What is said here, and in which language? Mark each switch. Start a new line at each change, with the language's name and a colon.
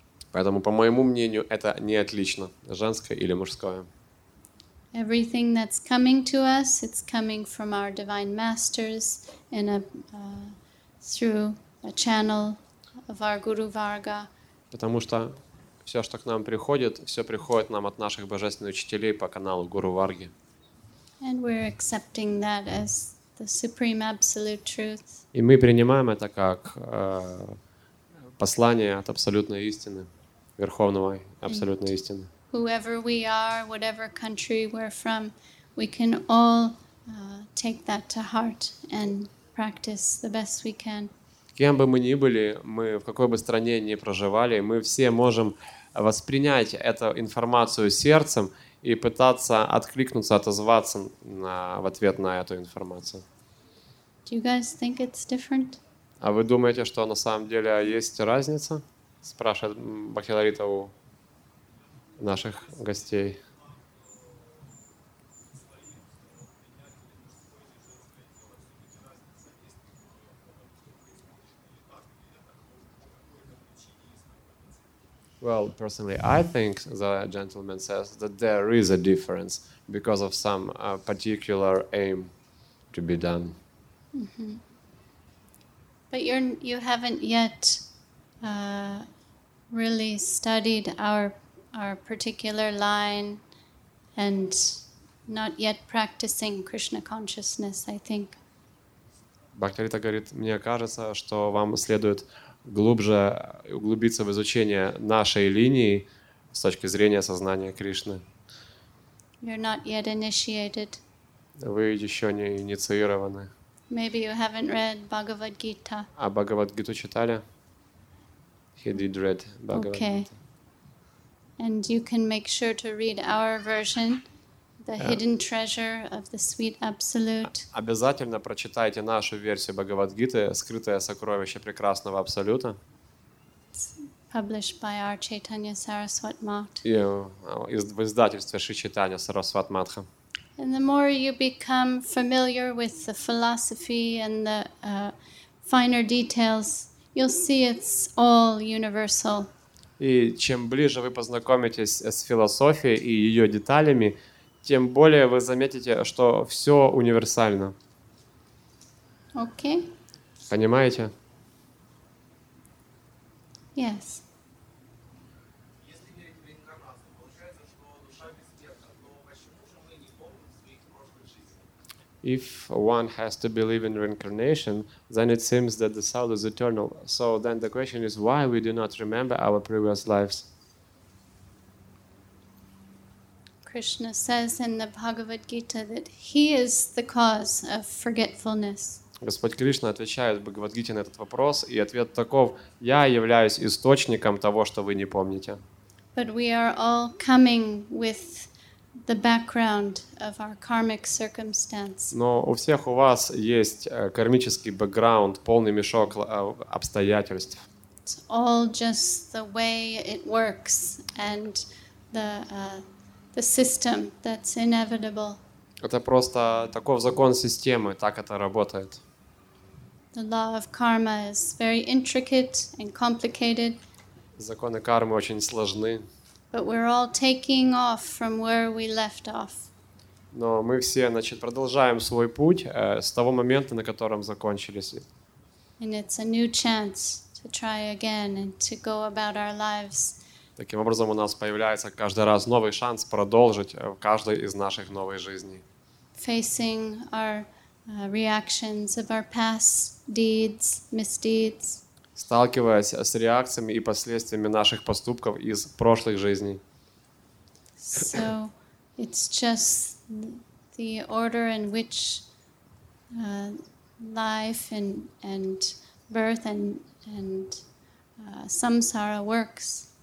Russian: Поэтому, по моему мнению, это не отлично, женское или мужское.
English: Everything that's coming to us, it's coming from our divine masters in a through a channel of our Guru Varga.
Russian: Потому что все, что к нам приходит, все приходит нам от наших божественных учителей по каналу Гуру Варги.
English: And we're accepting that as the supreme absolute truth.
Russian: И мы принимаем это как послание от абсолютной истины, верховного абсолютной истины.
English: Whoever we are, whatever country we're from, we can all take that to heart and practice the best we can.
Russian: Кем бы мы ни были, мы в какой бы стране ни проживали, мы все можем воспринять эту информацию сердцем и пытаться откликнуться, отозваться в ответ на эту информацию.
English: Do you guys think it's different?
Russian: А вы думаете, что на самом деле есть разница? Спрашивает Бхактиларита у наших гостей.
English: Well, personally, I think the gentleman says that there is a difference because of some particular aim to be done. Mm-hmm. But you haven't yet really studied our particular line and not yet practicing Krishna consciousness, I think.
Russian: Бхактиларита говорит, мне кажется, что вам следует глубже углубиться в изучение нашей линии с точки зрения сознания Кришны.
English: You're not yet initiated.
Russian: Вы еще не инициированы.
English: Maybe you haven't read Bhagavad Gita.
Russian: А Бхагавад-гиту читали?
English: He did read Bhagavad Gita. Okay. And you can make sure to read our version, the hidden treasure of the sweet absolute.
Russian: Обязательно прочитайте нашу версию Бхагавад-гиты, скрытое сокровище прекрасного абсолюта.
English: It's published by our Chaitanya Saraswat Math.
Russian: В издательстве Шри Чайтанья Сарасват Матха.
English: And the more you become familiar with the philosophy and the finer details, you'll see it's all universal.
Russian: И чем ближе вы познакомитесь с философией и ее деталями, тем более вы заметите, что все универсально. Окей. Понимаете?
English: Yes. If one has to believe in reincarnation, then it seems that the soul is eternal. So then the question is, why we do not remember our previous lives? Krishna says in the Bhagavad Gita that he is the cause of forgetfulness.
Russian: Господь Кришна отвечает в Бхагавад-гите на этот вопрос, и ответ таков: я являюсь источником того, что вы не помните.
English: But we are all coming with the background of our karmic circumstance.
Russian: Но у всех у вас есть кармический бэкграунд, полный мешок обстоятельств.
English: It's all just the way it works and the system that's inevitable.
Russian: Это просто такой закон системы, так это работает.
English: The law of karma is very intricate and complicated.
Russian: Законы кармы очень сложны.
English: But we're all taking off from where we left off.
Russian: Но мы все, значит, продолжаем свой путь с того момента, на котором закончились.
English: And it's a new chance to try again and to go about our lives.
Russian: Таким образом, у нас появляется каждый раз новый шанс продолжить в каждой из наших новой жизни.
English: Facing our reactions of our past deeds, misdeeds.
Russian: Сталкиваясь с реакциями и последствиями наших поступков из прошлых жизней.
English: So it's just the order in which life and birth and samsara works.